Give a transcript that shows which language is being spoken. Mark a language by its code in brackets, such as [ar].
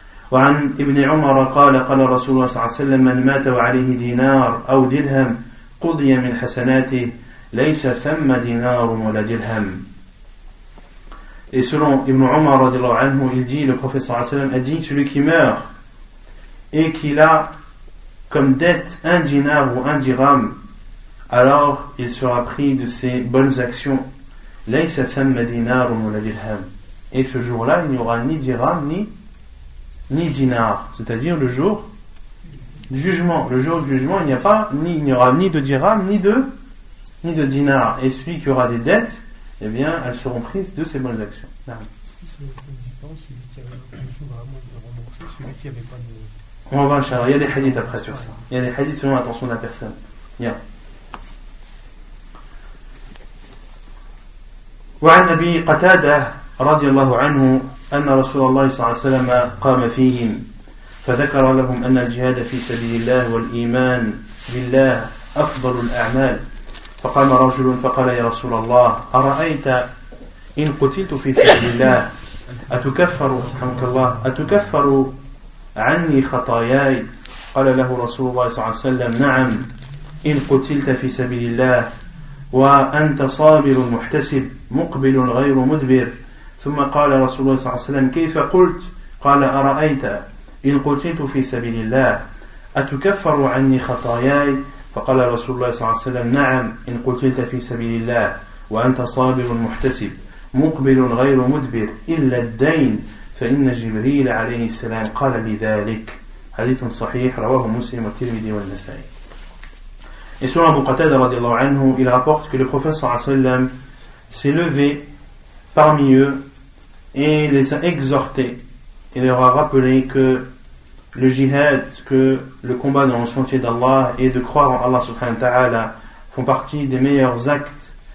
[ar] وعن ابن عمر قال رسول الله صلى الله عليه وسلم من مات وعليه دينار أو درهم قضي من حسناته ليس ثم دينار ولا درهم. [fr] Et selon ابن عمر [ar] رضي الله عنه, [fr] il dit, le prophète [ar] صلى الله عليه وسلم [fr] a dit, celui qui meurt et qu'il a comme dette un dinar ou un dirham, alors il sera pris de ses bonnes actions. [ar] ليس ثم دينار ولا درهم. [fr] Et ce jour-là, il n'y aura ni dirham ni dinar, c'est-à-dire le jour du jugement. Le jour du jugement, il n'y aura ni de dirham ni de dinar. Et celui qui aura des dettes, eh bien, elles seront prises de ses bonnes actions. fils, comme j'y pense, celui qui avait l'intention vraiment de le rembourser, celui qui n'avait pas de... On va voir, Inch'Allah. Il y a des hadiths après sur ça. Il y a des hadiths selon l'intention de la personne. Bien. [ar] وعن أبي قتادة رضي الله عنه أن رسول الله صلى الله عليه وسلم قام فيهم فذكر لهم أن الجهاد في سبيل الله والإيمان بالله أفضل الأعمال. فقام رجل فقال يا رسول الله أرأيت إن قتلت في سبيل الله أتكفر حمك الله أتكفر عني خطاياي؟ قال له رسول الله صلى الله عليه وسلم نعم إن قتلت في سبيل الله وأنت صابر محتسب مقبل غير مدبر. ثم قال رسول الله صلى الله عليه وسلم كيف قلت؟ قال أرأيت إن قتلت في سبيل الله أتكفر عني خطاياي؟ فقال رسول الله صلى الله عليه وسلم نعم إن قتلت في سبيل الله وأنت صابر محتسب مقبل غير مدبر إلا الدين فإن جبريل عليه السلام قال لذلك. حديث صحيح رواه مسلم والترمذي والنسائي. [fr] Et selon Abu Qatada radiallahu anhu, il rapporte que le prophète sallallahu alayhi wa sallam s'est levé parmi eux et les a exhortés. Il leur a rappelé que le jihad, que le combat dans le sentier d'Allah et de croire en Allah subhanahu wa ta'ala font partie des meilleurs actes.